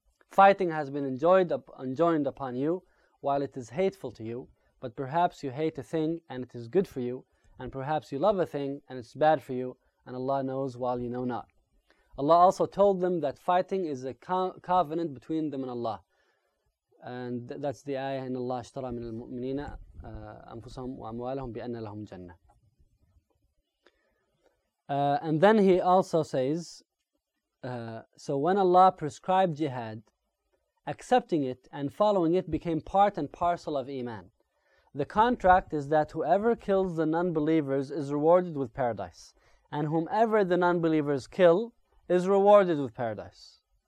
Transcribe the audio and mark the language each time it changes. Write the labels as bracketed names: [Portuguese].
[English] Fighting has been enjoined upon you while it is hateful to you, but perhaps you hate a thing and it is good for you, and perhaps you love a thing and it's bad for you, and Allah knows while you know not. Allah also told them that fighting is a covenant between them and Allah. And that's the ayah, [Arabic] إِنَّ اللَّهَ اشْتَرَى مِنَ الْمُؤْمِنِينَ أَنفُسَهُمْ وَأَمْوَالَهُمْ بِأَنَّ لَهُمْ جَنَّةً. [English] And then he also says, so when Allah prescribed jihad, accepting it and following it became part and parcel of iman. The contract is that whoever kills the non-believers is rewarded with paradise, and whomever the non-believers kill is rewarded with paradise.